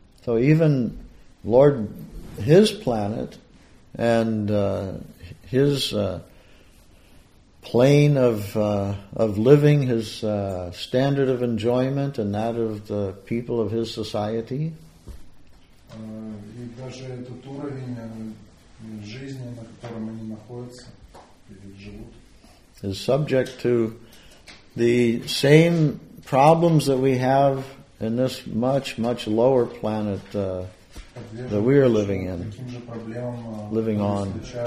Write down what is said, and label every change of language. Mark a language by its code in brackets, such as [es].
[en] So even Lord, his planet, and his plane of living, his standard of enjoyment, and that of the people of his society. [ru] И даже этот уровень жизни, на котором они находятся или живут, [en] is subject to the same problems that we have in this much, much lower planet that we are living in, living on.